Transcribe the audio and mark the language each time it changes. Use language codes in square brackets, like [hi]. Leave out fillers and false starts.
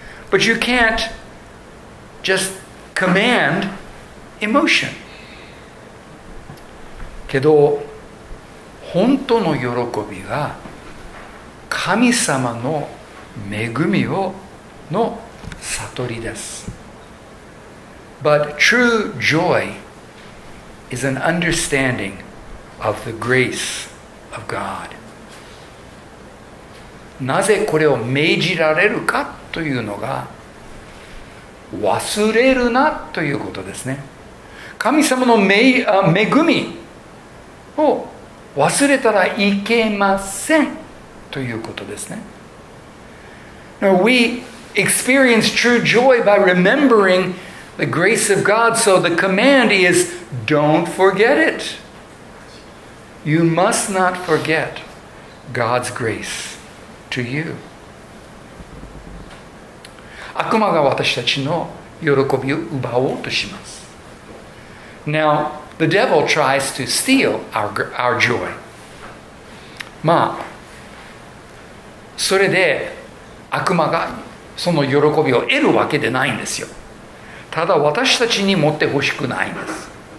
[en] But you can't just command. Emotion. [ja] けど本当の喜びは神様の恵みをの悟りです。 [en] But true joy is an understanding of the grace of God. [ja] なぜこれを命じられるかというのが忘れるなということですね。神様の恵みを忘れたらいけませんということですね。 [en] Now, we experience true joy by remembering the grace of God, so the command is, don't forget it. You must not forget God's grace to you. [ja] 悪魔が私たちの喜びを奪おうとします。 [en] Now, the devil tries to steal our joy. [ja] まあ、それで悪魔がその喜びを得るわけでないんですよ。ただ私たちに持ってほしくないんです。